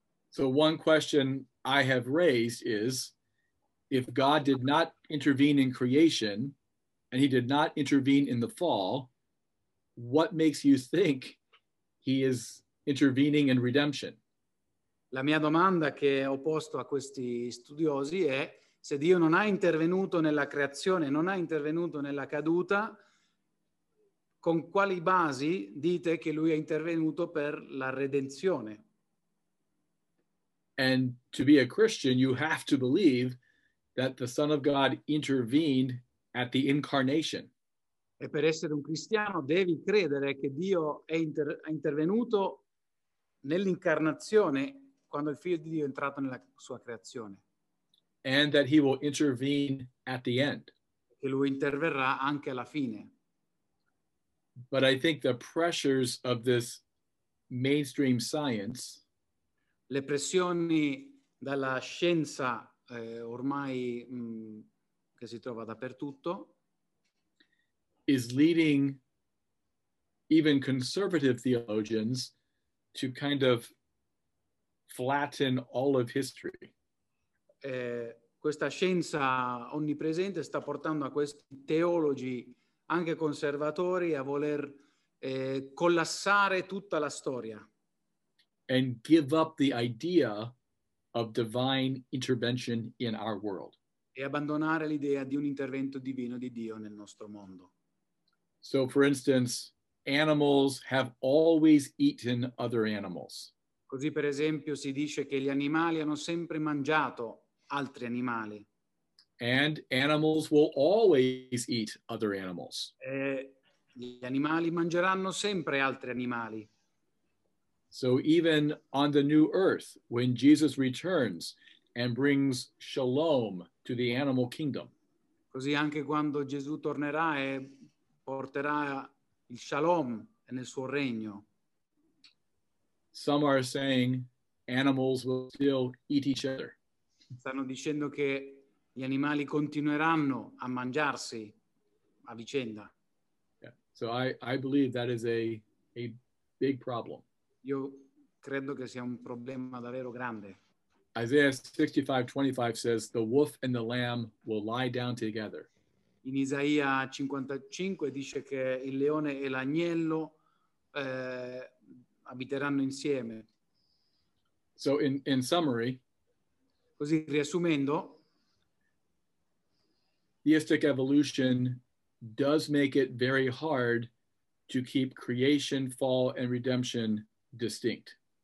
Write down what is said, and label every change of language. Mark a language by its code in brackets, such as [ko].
[en] So one question I have raised is, if God did not intervene in creation and he did not intervene in the fall, what makes you think he is intervening in redemption? [it] La mia domanda che ho posto a questi studiosi è: se Dio non ha intervenuto nella creazione, non ha intervenuto nella caduta, con quali basi dite che lui è intervenuto per la redenzione? [en] And to be a Christian, you have to believe that the Son of God intervened at the incarnation. [it] E per essere un cristiano devi credere che Dio è intervenuto nell'incarnazione, quando il Figlio di Dio è entrato nella sua creazione. [en] And that he will intervene at the end. [it] Che lui interverrà anche alla fine. [en] But I think the pressures of this mainstream science, [it] le pressioni dalla scienza ormai che si trova dappertutto, [en] is leading even conservative theologians to kind of flatten all of history. [it] Questa scienza onnipresente sta portando a questi teologi, anche conservatori, a voler collassare tutta la storia. [en] And give up the idea of divine intervention in our world. [it] E abbandonare l'idea di un intervento divino di Dio nel nostro mondo. [en] So, for instance, animals have always eaten other animals. [it] Così, per esempio, si dice che gli animali hanno sempre mangiato altri animali. [en] And animals will always eat other animals. [it] E gli animali mangeranno sempre altri animali. [en] So even on the new earth, when Jesus returns and brings shalom to the animal kingdom. [it] Così anche quando Gesù tornerà e porterà il shalom nel suo regno. [en] Some are saying animals will still eat each other. [it] Stanno dicendo che gli animali continueranno a mangiarsi a vicenda. [en] Yeah. So I believe that is a big problem. [it] Io credo che sia un problema davvero grande. [en] Isaiah 65:25 says the wolf and the lamb will lie down together. [it] In Isaia 55 dice che il leone e l'agnello abiteranno insieme. [en] So in summary, [it] così riassumendo, [en] theistic evolution does make it very hard to keep creation, fall and redemption distinct.